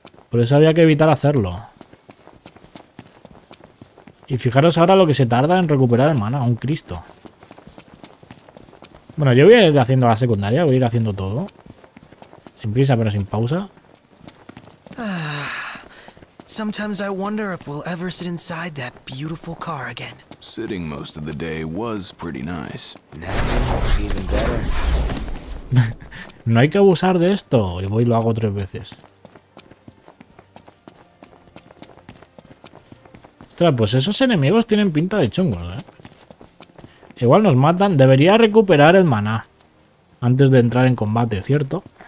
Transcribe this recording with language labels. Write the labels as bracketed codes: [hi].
[es] Por eso había que evitar hacerlo. Y fijaros ahora lo que se tarda en recuperar el maná, un cristo. Bueno, yo voy a ir haciendo la secundaria, voy a ir haciendo todo. Sin prisa, pero sin pausa. [en] Sometimes I wonder if we'll ever sit inside that beautiful car again. Sitting most of the day was pretty nice. [es] No hay que abusar de esto, y voy y lo hago tres veces. Ostras, pues esos enemigos tienen pinta de chungos, ¿eh? igual nos matan. Debería recuperar el maná antes de entrar en combate, ¿cierto?